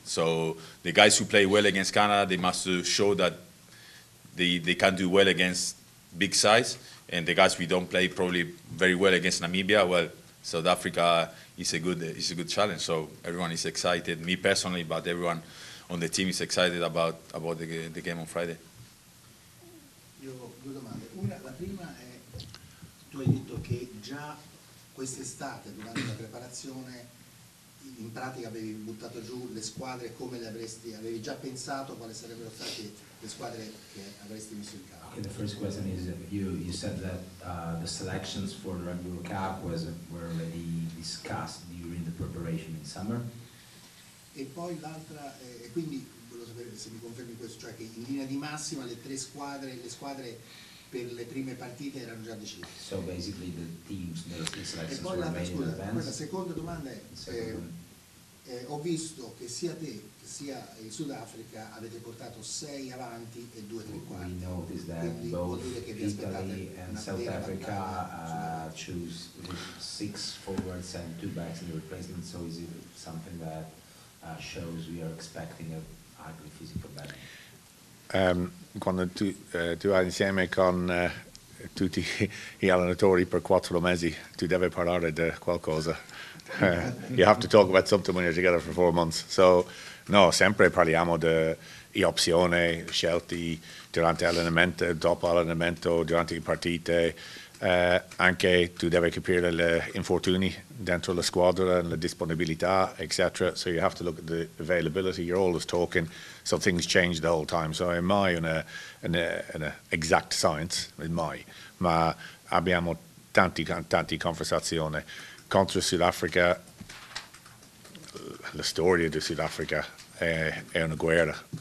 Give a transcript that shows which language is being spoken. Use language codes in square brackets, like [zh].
[en] So the guys who play well against Canada, they must show that they can do well against big size, and the guys we don't play probably very well against Namibia, well, South Africa is a good challenge. So everyone is excited, me personally, but everyone on the team is excited about the game on Friday. [it] Io ho due domande. Una, la prima è, tu hai detto che già quest'estate, durante la preparazione, in pratica avevi buttato giù le squadre come le avresti, avevi già pensato quali sarebbero state le squadre che avresti messo in campo. [en] Okay, the first question is, you said that the selections for the Rugby World Cup were already discussed during the preparation in summer. [it] E poi l'altra, e quindi volevo sapere se mi confermi questo, cioè che in linea di massima le tre squadre, le squadre per le prime partite erano già decise. [en] So basically the teams, the selections. [it] E poi la seconda domanda è, ho visto che sia te che sia il Sudafrica avete portato 6 avanti e 2 3 quarti. [en] We noticed that [it] quindi [en] both [it] dire che vi aspettate [en] and South Africa choose 6 forwards and 2 backs in the replacement, so is it something that shows we are expecting a ugly physical battle. [it] Quando tu hai insieme con tutti gli allenatori per 4 mesi, tu devi parlare di qualcosa. [en] You have to talk about something when you're together for 4 months. [it] So, no, sempre parliamo di opzioni, scelte durante allenamento, dopo allenamento, durante le partite. Anche tu devi capire gli infortuni dentro la squadra, la disponibilità, eccetera. [en] So you have to look at the availability, you're always talking, so things change the whole time. [it] So è mai una [en] exact science, [it] è mai. Ma abbiamo tante conversazioni. Contro Sudafrica, la storia di Sudafrica è una guerra.